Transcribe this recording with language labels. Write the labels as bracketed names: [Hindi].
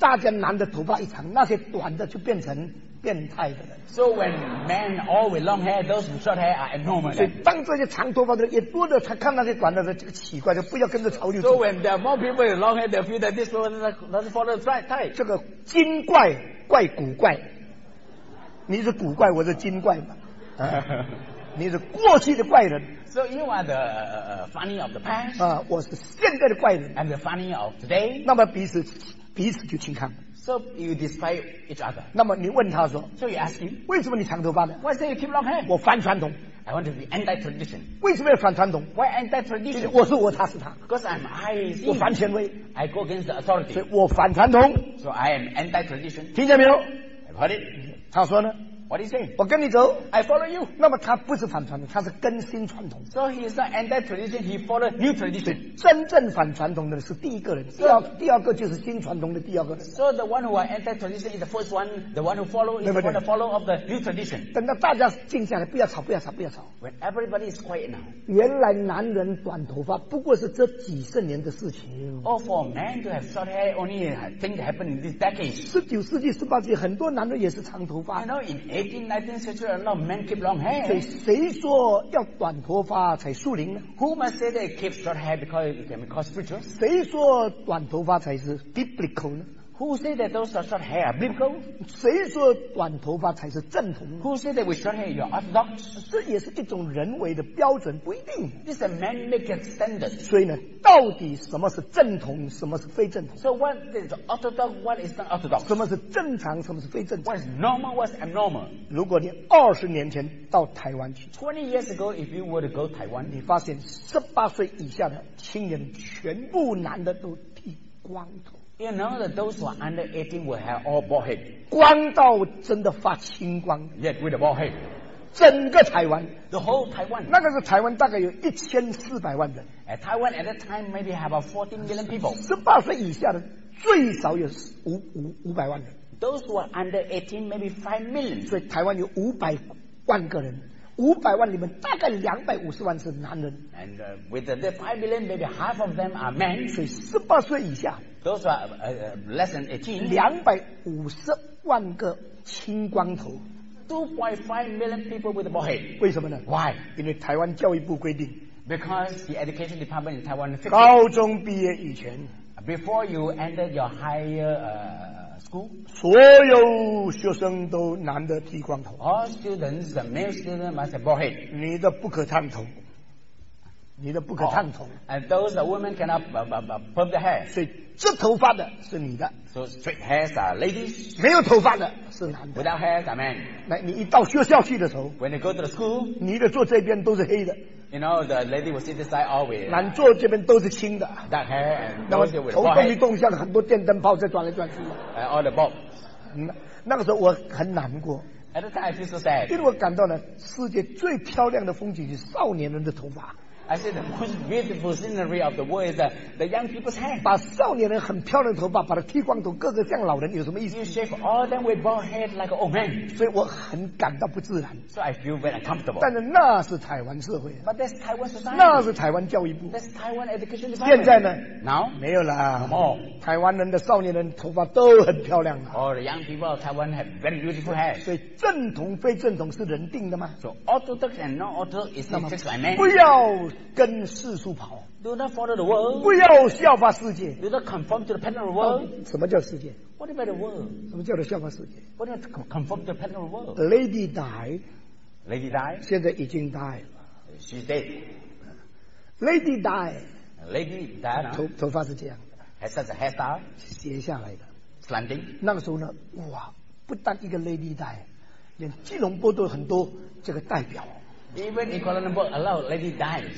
[Chinese] 大家男的头发一长那些短的就变成变态的人 [English] So when men all with long hair those with short hair are abnormal [Chinese] 所以当这些长头发的人也多的他看那些短的人这个奇怪就不要跟着潮流走 [English] So when there are more people with long hair they feel that this one doesn't follow the right type [Chinese] 这个精怪怪古怪你是古怪我是精怪嘛你是过去的怪人 [English] So you are the funny of the past [Chinese] 我是现在的怪人 [English] And the funny of today [Chinese] 那么彼此就轻看 [English] So you despise each other [Chinese] 那么你问他说 [English] So you ask him [Chinese] 为什么你长头发呢 [English] Why say you keep long hair [Chinese] 我反传统 [English] I want to be anti-tradition [Chinese] 为什么要反传统 [English] Why anti-tradition [Chinese] 我是我他是他 [English] Because I'm I [Chinese] 我反权威 [English] I go against the authority [Chinese] 所以我反传统 [English] So I am anti-tradition [Chinese] 听见没有 [English] I've heard it [Chinese] 他说呢 [English] What do you say? [Chinese] 我跟你走 [English] I follow you [Chinese] 那么他不是反传统他是更新传统 [English] So he is not anti-tradition He followed new tradition [Chinese] 真正反传统的是第一个人 [English] so, [Chinese] 第二个就是新传统的第二个人 [English] So the one who are anti-tradition is the first one The one who follow is the follow of the new tradition [Chinese] 等到大家静下来不要吵不要吵不要吵 [English] When everybody is quiet now [Chinese] 原来男人短头发不过是这几十年的事情 [English] Or for a man to have short hair only things happen in this decade [Chinese] 19世纪18世纪很多男人也是长头发 [English] You know in 18th, 19th century, a lot of men keep long hair. [Chinese] 所以谁说要短头发才树林呢 [English] ？Who must say they keep short hair because it can cause future? [Chinese] 谁说短头发才是 biblical 呢 [English] ？Who say that those are short hair are biblical? [Chinese] 谁说短头发才是正统 [English] ？Who say that with short hair you're orthodox? [Chinese] 这也是一种人为的标准，不一定。 [English] This is a man-made standard. [Chinese] 所以呢，到底什么是正统，什么是非正统 [English] ？So what is orthodox? What is not orthodox? [Chinese] 什么是正常，什么是非正常 [English] ？What is normal? What is abnormal? [Chinese] 如果你二十年前到台湾去 [English] ，20 years ago, if you were to go Taiwan, [Chinese] 你发现十八岁以下的青年全部男的都剃光头。 [English] You know that those who are under 18 will have all bald head. [Chinese] 光到真的发青光。 [English] Yet with a bald head. [Chinese] 整个台湾。 [English] The whole Taiwan. [Chinese] 那个是台湾大概有1400万人。 [English] At Taiwan at that time maybe have about 14 million people. [Chinese] 18岁以下的最少有500万人。 [English] Those who are under 18 maybe 5 million. [Chinese] 所以台湾有500万个人。五百万里面大概250万是男人 [English] ，and with the 5 million maybe half of them are men， [Chinese] 所以十八岁以下 [English] ，those are less than 18， [Chinese] 250万个青光头 [English] ，2.5 million people with a bald head， [Chinese] 为什么呢 [English] ？Why？ [Chinese] 因为台湾教育部规定 [English] ，because the education department in Taiwan [Chinese] 高中毕业以前 [English] ，before you enter your higher [Chinese] 所有学生都男的剃光头 [English] All students, the male students must have bald head [Chinese] 女的不可烫头女的不可烫头 [English] And those women cannot perm the hair [Chinese] 所以这头发的是女的 [English] So straight hairs are ladies [Chinese] 没有头发的是男的 [English] Without hairs are men [Chinese] 来你一到学校去的时候 [English] When they go to the school [Chinese] 女的坐这边都是黑的 [English] You know the lady will sit this side always [Chinese] 男坐这边都是青的 [English] Dark hair and those with bald head [Chinese] 头动一动像很多电灯泡在转来转去 [English] All the bulbs [Chinese] 那个时候我很难过 [English] At the time I feel so sad [Chinese] 因为我感到呢世界最漂亮的风景是少年人的头发 [English] I said the most beautiful scenery of the world is the young people's hair. [Chinese] 把少年人很漂亮的头发把它剃光头，个个像老人，有什么意思 [English] ？You shave all them with bald head like an old man. [Chinese] 所以我很感到不自然。 [English] So I feel very uncomfortable. [Chinese] 但是那是台湾社会。 [English] But that's Taiwan society. [Chinese] 那是台湾教育部。 [English] That's Taiwan education department. [Chinese] 现在呢 [English] ？Now [Chinese] 没有啦。 [English] Oh, [Chinese] 台湾人的少年人头发都很漂亮了。 [English] Oh, the young people of Taiwan have very beautiful hair. [Chinese] 所以正统非正统是人定的吗 [English] ？So orthodox and non-orthodox is fixed by man. [Chinese] 不要。跟世俗跑 [English] Do not follow the world [Chinese] 不要效法世界 [English] Do not conform to the pattern of the world [Chinese] 什么叫世界 [English] What about the world [Chinese] 什么叫做效法世界 [English] What about conform to the pattern of the world Lady died Lady died [Chinese] 现在已经 [English] died She's dead Lady died Lady died [Chinese] 头发是这样 [English] Has such a hairstyle [Chinese] 斜下来的 [English] Slanting [Chinese] 那个时候呢哇不但一个 Lady died 连基隆坡都很多这个代表 [English] Even in Kuala Lumpur, a lot of ladies die.